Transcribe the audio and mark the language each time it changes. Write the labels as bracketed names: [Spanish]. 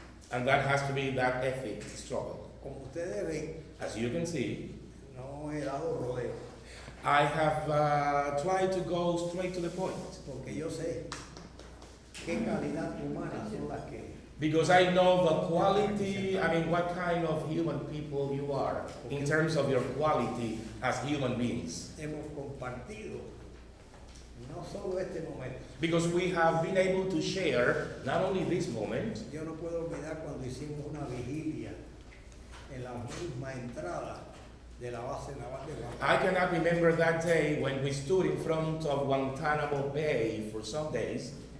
[English] And that has to be that ethic struggle. [Spanish] Como ustedes ven, [English] as you can see, [Spanish] no he dado rodeo. [English] I have tried to go straight to the point. [Spanish] Porque yo sé qué calidad humana son las que. [English] Because I know the quality, I mean, what kind of human people you are in terms of your quality as human beings. [Spanish] Hemos compartido, no solo este momento. [English] Because we have been able to share not only this moment. [Spanish] Yo no puedo olvidar cuando hicimos una vigilia en la misma entrada de la base naval de Guantánamo. [English] I cannot remember that day when we stood in front of Guantanamo Bay for some days.